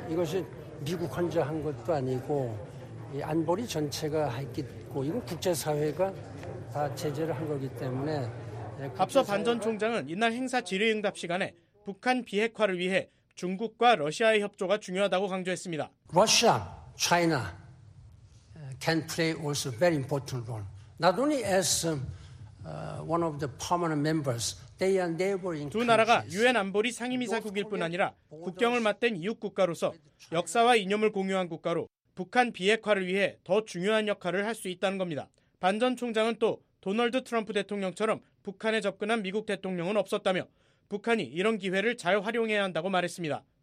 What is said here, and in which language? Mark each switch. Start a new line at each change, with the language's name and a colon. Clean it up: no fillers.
Korean: 이것이 미국 혼자 한 것도 아니고 이 안보리 전체가 했고 이건 국제사회가 다 제재를 한 거기 때문에. 앞서 반 전 총장은 이날 행사 질의응답 시간에 북한 비핵화를 위해 중국과 러시아의 협조가 중요하다고 강조했습니다.
English: Russia, China can play also very important role. Not only as one of the permanent members, they are neighboring.
Korean: 두 나라가 유엔 안보리 상임이사국일 뿐 아니라 국경을 맞댄 이웃 국가로서 역사와 이념을 공유한 국가로 북한 비핵화를 위해 더 중요한 역할을 할 수 있다는 겁니다. 반 전 총장은 또 도널드 트럼프 대통령처럼 북한에 접근한 미국 대통령은 없었다며 북한이 이런 기회를 잘 활용해야 한다고 말했습니다.